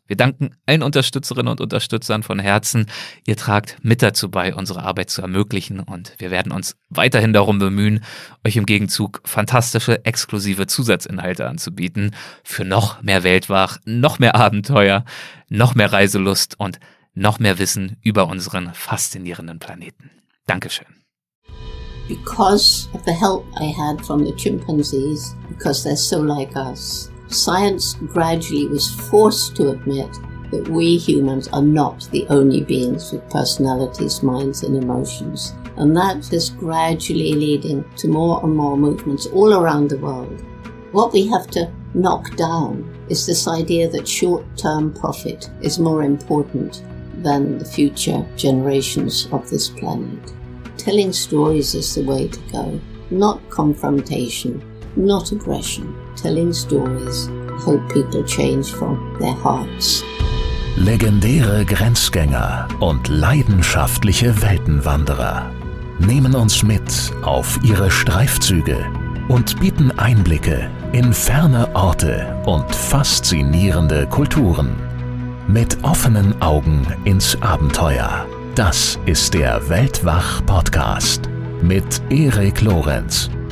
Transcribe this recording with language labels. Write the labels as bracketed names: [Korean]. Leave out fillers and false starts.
[German] Wir danken allen Unterstützerinnen und Unterstützern von Herzen. Ihr tragt mit dazu bei, unsere Arbeit zu ermöglichen, und wir werden uns weiterhin darum bemühen, euch im Gegenzug fantastische, exklusive Zusatzinhalte anzubieten für noch mehr Weltwach, noch mehr Abenteuer, noch mehr Reiselust und noch mehr Wissen über unseren faszinierenden Planeten. Dankeschön. [English] Because of the help I had from the chimpanzees, because they're so like us, science gradually was forced to admit that we humans are not the only beings with personalities, minds and emotions. And that is gradually leading to more and more movements all around the world. What we have to knock down is this idea that short-term profit is more important than the future generations of this planet. Telling stories is the way to go. Not confrontation, not aggression. Telling stories help people change from their hearts. [German] Legendäre Grenzgänger und leidenschaftliche Weltenwanderer nehmen uns mit auf ihre Streifzüge und bieten Einblicke in ferne Orte und faszinierende Kulturen. Mit offenen Augen ins Abenteuer. Das ist der Weltwach-Podcast mit Erik Lorenz.